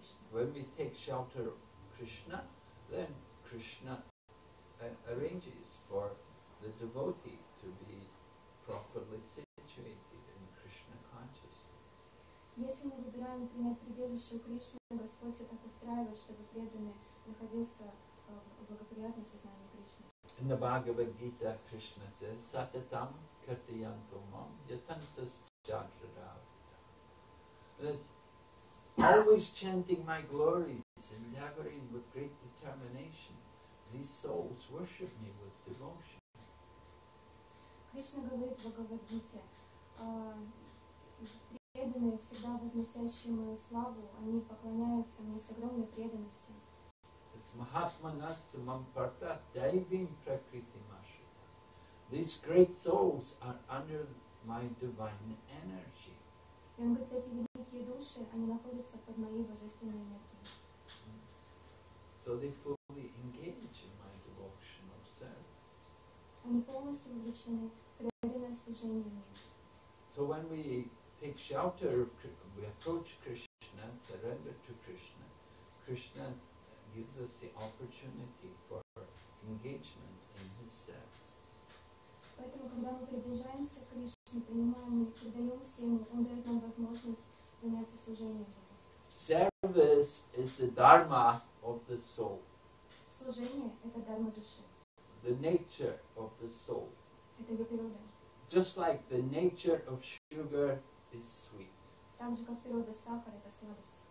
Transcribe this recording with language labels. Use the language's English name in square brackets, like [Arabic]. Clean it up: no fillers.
[English] When we take shelter of Krishna, then Krishna arranges for the devotee to be properly situated in Krishna consciousness. [Russian] Если мы выбираем принять прибежище у Кришны, Господь все так устраивает, чтобы преданный находился в благоприятном сознании Кришны. [English] In the Bhagavad Gita, Krishna says, [Sanskrit] "Satatam kartiyantumam yatantas jagradavita." [English] Always chanting my glories, endeavoring with great determination, these souls worship me with devotion. [Russian] Кришна говорит в Бхагавад-гите, преданные, всегда возносящие мою славу, они поклоняются мне с огромной преданностью. [Sanskrit] Says Mahatmanastu Mamparta Daivim Prakriti Mashita. [English] These great souls are under my divine energy. [Russian] И он говорит, эти великие души, они находятся под моей божественной энергией. [English] So they fully engage in my devotional service. [Russian] Они полностью вовлечены в преданное служение мне. [English] So when we take shelter, we approach Krishna, surrender to Krishna, Krishna gives us the opportunity for engagement in his service. [Russian] Поэтому, когда мы приближаемся к Кришне, принимаем и предаемся Ему, Он дает нам возможность заняться служением Ему. [English] Service is the dharma of the soul. [Russian] Служение – это дарма души. [English] The nature of the soul. [Russian] Это ее природа. [English] Just like the nature of sugar is sweet. [Russian] Так же, как природа сахара – это сладость.